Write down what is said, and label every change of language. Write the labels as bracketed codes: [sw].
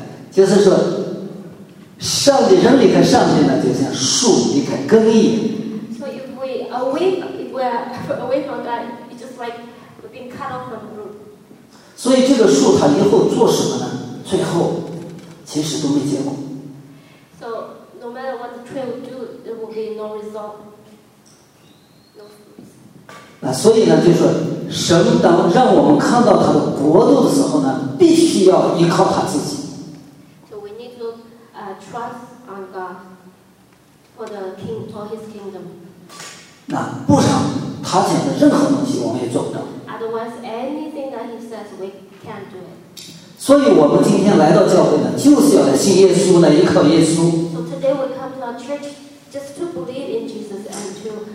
[zh] 就是说，上帝人离开上帝呢，就像树离开根叶。 [en] So if we away from God, it's just like we've been cut off from the root. [zh] 所以这个树它以后做什么呢？最后其实都没结果。 [en] So no matter what the tree will do, there will be no result. No. [zh] 所以呢，就是说神当让我们看到他的国度的时候呢，必须要依靠他自己。 [en] So we need to trust on God for the king, for his kingdom. [zh] 那不然他讲的任何东西我们也做不到。 [en] Otherwise, anything that he says, we can't do it. [zh] 所以我们今天来到教会呢，就是要来信耶稣，来依靠耶稣。 [en] So today we come to our church just to believe in Jesus and to.